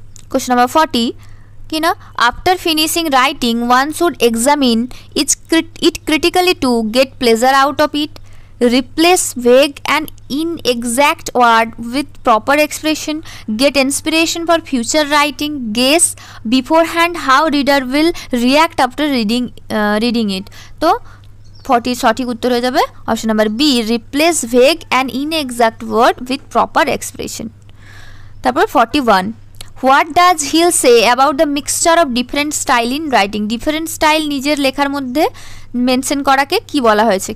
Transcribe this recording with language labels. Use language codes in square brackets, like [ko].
[en] question number 40 [bn] কি না [en] after finishing writing one should examine it critically to get pleasure out of it replace vague and inexact word with proper expression get inspiration for future writing guess beforehand how reader will react after reading it [bn] তো 40 সঠিক উত্তর হয়ে যাবে option number be [en] replace vague and inexact word with proper expression [bn] তারপর [en] 41 What does Hill say about the mixture of different style in writing? Different style [bn] নিজের লেখার মধ্যে mention করাকে কি বলা হয়েছে?